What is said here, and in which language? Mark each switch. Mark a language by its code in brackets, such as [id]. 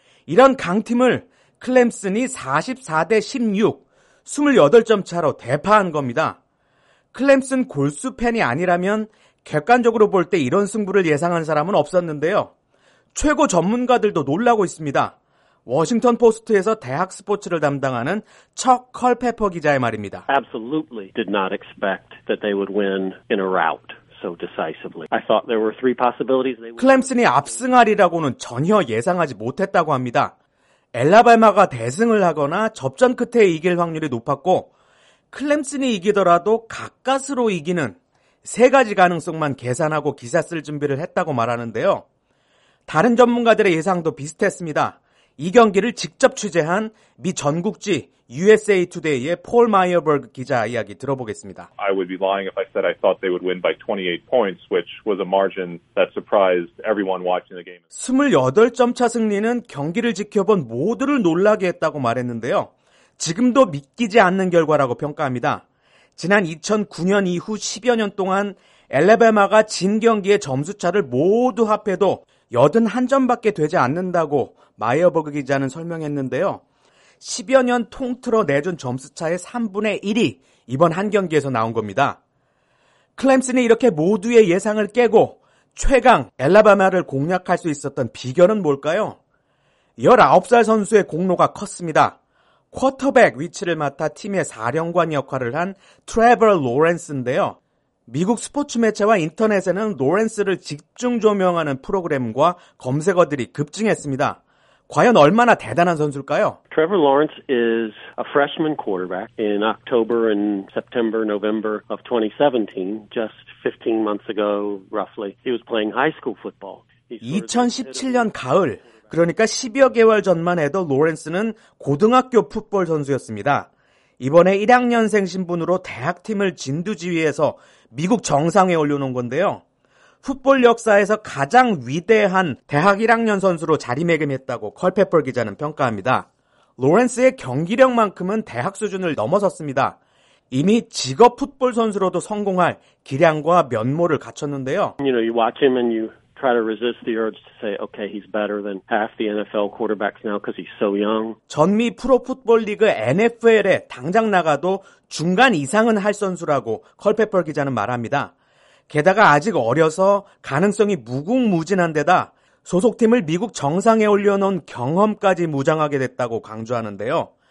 [ko] 이런 강팀을 클렘슨이 44대 16, 28점 차로 대파한 겁니다. 클렘슨 골수 팬이 아니라면 객관적으로 볼 때 이런 승부를 예상한 사람은 없었는데요. 최고 전문가들도 놀라고 있습니다. 워싱턴 포스트에서 대학 스포츠를 담당하는 척 컬페퍼 기자의 말입니다. [en] Absolutely did not expect that they would win in a rout so decisively. I thought there were three possibilities. [ko] 클렘슨이 압승하리라고는 전혀 예상하지 못했다고 합니다. 엘라발마가 대승을 하거나 접전 끝에 이길 확률이 높았고 클렘슨이 이기더라도 가까스로 이기는 세 가지 가능성만 계산하고 기사 쓸 준비를 했다고 말하는데요. 다른 전문가들의 예상도 비슷했습니다. 이 경기를 직접 취재한 미 전국지 USA Today의 폴 마이어버그 기자 이야기 들어보겠습니다. [en] I would be lying if I said I thought they would win by 28 points, which was a margin that surprised everyone watching the game. [ko] 28점 차 승리는 경기를 지켜본 모두를 놀라게 했다고 말했는데요. 지금도 믿기지 않는 결과라고 평가합니다. 지난 2009년 이후 10여 년 동안 엘라바마가 진 경기의 점수 차를 모두 합해도 81점밖에 되지 않는다고 마이어버그 기자는 설명했는데요. 10여 년 통틀어 내준 점수차의 3분의 1이 이번 한 경기에서 나온 겁니다. 클렘슨이 이렇게 모두의 예상을 깨고 최강 엘라바마를 공략할 수 있었던 비결은 뭘까요? 19살 선수의 공로가 컸습니다. 쿼터백 위치를 맡아 팀의 4령관 역할을 한 트레버 로렌스인데요. 미국 스포츠 매체와 인터넷에는 로렌스를 집중 조명하는 프로그램과 검색어들이 급증했습니다. 과연 얼마나 대단한 선수일까요? [en] Trevor Lawrence is a freshman quarterback in October and September, November of 2017, just 15 months ago, roughly. He was playing high school football. [ko] 2017년 가을, 그러니까 12여 개월 전만 해도 로렌스는 고등학교 풋볼 선수였습니다. 이번에 1학년생 신분으로 대학팀을 진두지휘해서 미국 정상에 올려놓은 건데요. 풋볼 역사에서 가장 위대한 대학 1학년 선수로 자리매김했다고 컬페퍼 기자는 평가합니다. 로렌스의 경기력만큼은 대학 수준을 넘어섰습니다. 이미 직업 풋볼 선수로도 성공할 기량과 면모를 갖췄는데요. [en] You know, you watch him and you try to resist the urge to say, okay, he's better than half the NFL quarterbacks now because he's so young. [ko] 전미 프로 풋볼 리그 NFL에 당장 나가도 중간 이상은 할 선수라고 컬페퍼 기자는 말합니다. 게다가 아직 어려서 가능성이 무궁무진한 데다 소속팀을 미국 정상에 올려놓은 경험까지 무장하게 됐다고 강조하는데요.